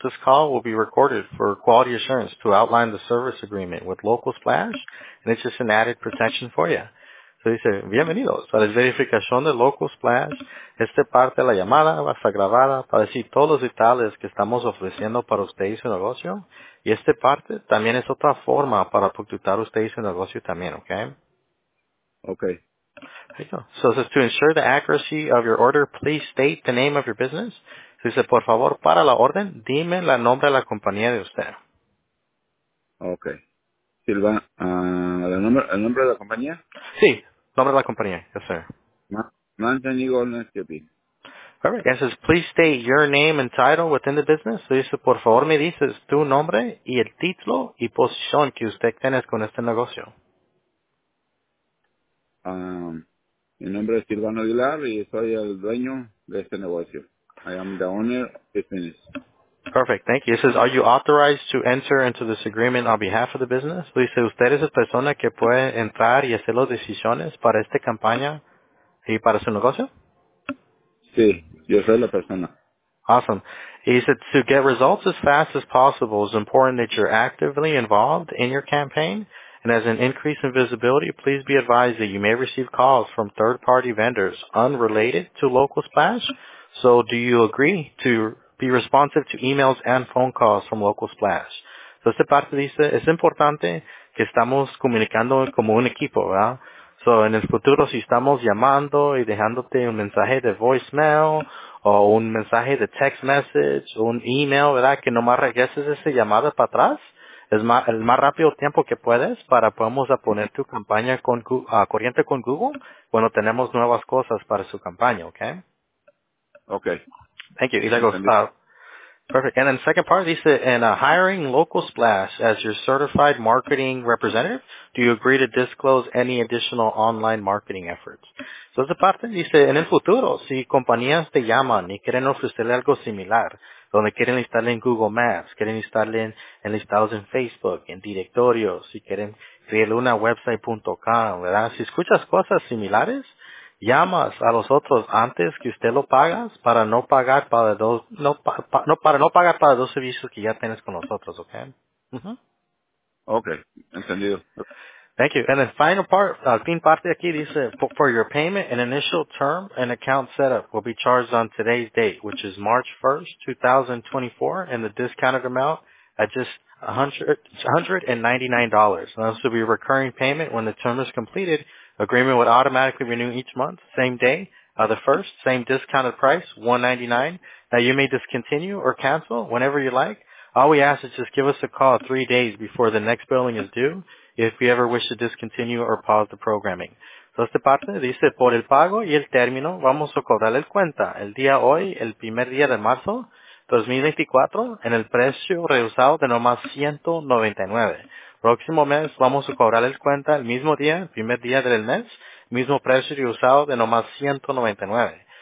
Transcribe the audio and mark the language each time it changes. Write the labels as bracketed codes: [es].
[en] This call will be recorded for quality assurance to outline the service agreement with Local Splash. And it's just an added protection for you. [es] Se dice, bienvenidos a la verificación de Local Splash. Esta parte de la llamada va a estar grabada para decir todos los detalles que estamos ofreciendo para usted y su negocio. Y esta parte también es otra forma para protectar usted y su negocio también, ¿ok? Ok. [en] So, this is to ensure the accuracy of your order, please state the name of your business. [es] Se dice, por favor, para la orden, dime el nombre de la compañía de usted. Ok. Silva, ¿el nombre de la compañía? Sí, nombre de la compañía, [en] yes sir. [es] Manten Igor, no es que pide. [en] All right, it says, please state your name and title within the business. [es] So dice, por favor, me dices tu nombre y el título y posición que usted tiene con este negocio. Mi nombre es Silvano Aguilar y soy el dueño de este negocio. [en] I am the owner of this business. Perfect, thank you. It says, are you authorized to enter into this agreement on behalf of the business? [es] Dice, ¿usted es la persona que puede entrar y hacer las decisiones para esta campaña y para su negocio? Sí, yo soy la persona. [en] Awesome. He said, to get results as fast as possible, it's important that you're actively involved in your campaign And as an increase in visibility, please be advised that you may receive calls from third-party vendors unrelated to local Splash. So do you agree to be responsive to emails and phone calls from local Splash? [es] Entonces, parte dice, es importante que estamos comunicando como un equipo, ¿verdad? So, en el futuro, si estamos llamando y dejándote un mensaje de voicemail o un mensaje de text message o un email, ¿verdad? Que nomás regreses ese llamado para atrás. Es más, el más rápido tiempo que puedes para podamos a poner tu campaña con corriente con Google cuando tenemos nuevas cosas para su campaña, ¿ok? Ok. [en] Thank you. [es] Y luego, [en] perfect. And then second part, dice, in hiring local Splash as your certified marketing representative, do you agree to disclose any additional online marketing efforts? [es] So esa parte dice, en el futuro, si compañías te llaman y quieren ofrecerle algo similar, donde quieren instalarle en Google Maps, quieren instalarle en listados en Facebook, en directorios, si quieren crearle una website.com, ¿verdad? Si escuchas cosas similares, llamas a los otros antes que usted lo pagas para no pagar para dos para no pagar para dos servicios que ya tienes con nosotros, ¿ok? Uh-huh. Okay, entendido. [en] Thank you. And the final part, [es] fin parte aquí dice, [en] for your payment, an initial term and account setup will be charged on today's date, which is March 1st, 2024, and the discounted amount at just $199. And this will be a recurring payment when the term is completed. Agreement would automatically renew each month, same day, the first, same discounted price, $199. Now, you may discontinue or cancel whenever you like. All we ask is just give us a call 3 days before the next billing is due if you ever wish to discontinue or pause the programming. [es] So, este parte dice, por el pago y el término, vamos a cobrarle el cuenta el día hoy, el primer día de marzo 2024, en el precio reducido de nomás $199. Próximo mes vamos a cobrar el cuenta el mismo día, el primer día del mes, mismo precio y usado de nomás $199.